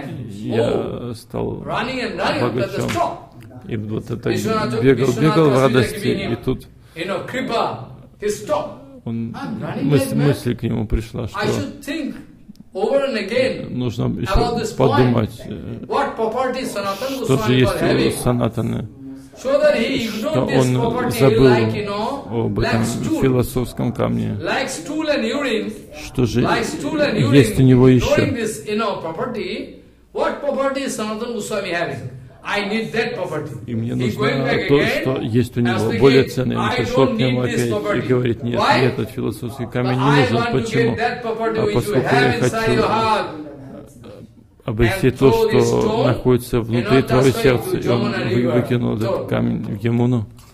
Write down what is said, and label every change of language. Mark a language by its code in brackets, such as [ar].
[ru] Я стал богатым. И вот это бегал в радости, и тут мысль к нему пришла, что нужно еще подумать, что же есть у Санатаны. [en] So that he ignored this property, [ru] забыл [en] like, you know, [ru] об этом философском камне. [en] Like stool and urine, [ru] что же [en] like stool and urine, [ru] есть у него еще? [en] This, you know, property, what property is Sanatana Goswami having? I need that property. [ru] И мне нужно то, что есть у него, более ценное. Он пришел к нему опять и говорит, нет, мне этот философский камень не нужен. Почему? А поскольку я хочу обрести то, что находится внутри твоего сердца, и он выкинул этот камень в Ямуну.